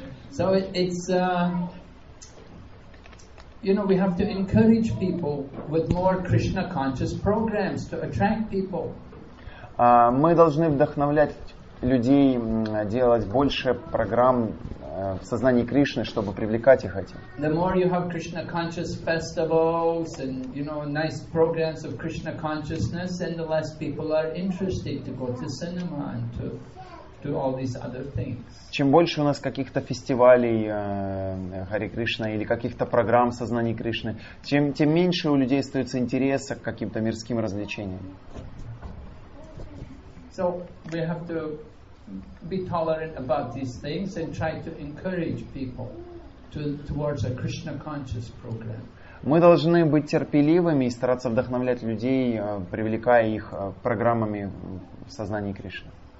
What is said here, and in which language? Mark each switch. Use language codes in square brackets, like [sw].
[en] So it's, you know, we have to encourage people with more Krishna conscious programs to attract people. [ru] Мы должны вдохновлять людей делать больше программ в сознании Кришны, чтобы привлекать их этим. [en] The more you have Krishna conscious festivals and, you know, nice programs of Krishna consciousness, then the less people are interested to go to cinema and to do all these other things. [ru] Чем больше у нас каких-то фестивалей Харе Кришна или каких-то программ сознания Кришны, тем меньше у людей остается интереса к каким-то мирским развлечениям. [en] So we have to be tolerant about these things and try to encourage people towards a Krishna conscious program. [ru] Мы должны быть терпеливыми и стараться вдохновлять людей, привлекая их программами в сознании Кришны.